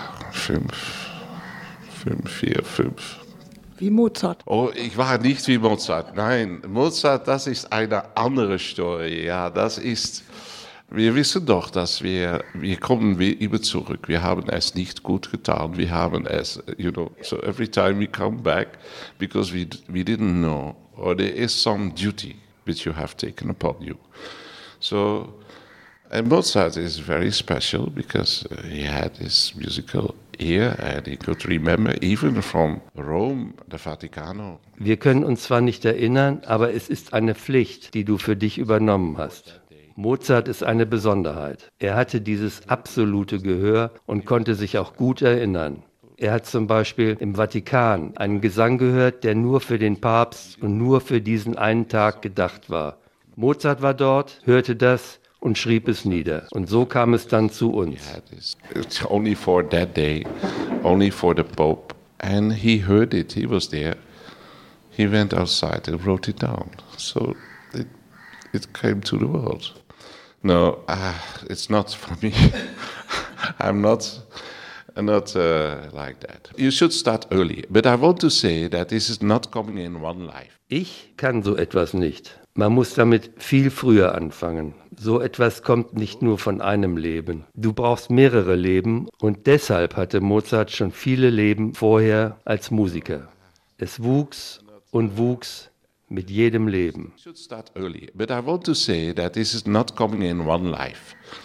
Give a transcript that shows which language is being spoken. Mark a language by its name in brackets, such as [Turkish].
[German] Fünf. Wie Mozart? Oh, ich war nicht wie Mozart. Nein, Mozart, das ist eine andere Story. Ja, das ist... Wir wissen doch, dass wir kommen wie immer zurück. Wir haben es nicht gut getan. Wir haben es, [English] you know, so every time we come back, because we didn't know, or there is some duty which you have taken upon you. So, and Mozart is very special because he had his musical ear and he could remember even from Rome, the Vaticano. [German] Wir können uns zwar nicht erinnern, aber es ist eine Pflicht, die du für dich übernommen hast. Mozart ist eine Besonderheit. Er hatte dieses absolute Gehör und konnte sich auch gut erinnern. Er hat zum Beispiel im Vatikan einen Gesang gehört, der nur für den Papst und nur für diesen einen Tag gedacht war. Mozart war dort, hörte das und schrieb es nieder. Und so kam es dann zu uns. [English] It's only for that day, only for the Pope. And he heard it, he was there. He went outside and wrote it down. So... It came to the world. No, it's not for me. I'm not like that. You should start early. But I want to say that this is not coming in one life. [German] Ich kann so etwas nicht. Man muss damit viel früher anfangen. So etwas kommt nicht nur von einem Leben. Du brauchst mehrere Leben. Und deshalb hatte Mozart schon viele Leben vorher als Musiker. Es wuchs und wuchs. Mit jedem Leben. [English] You should start early, but I want to say that this is not coming in one life.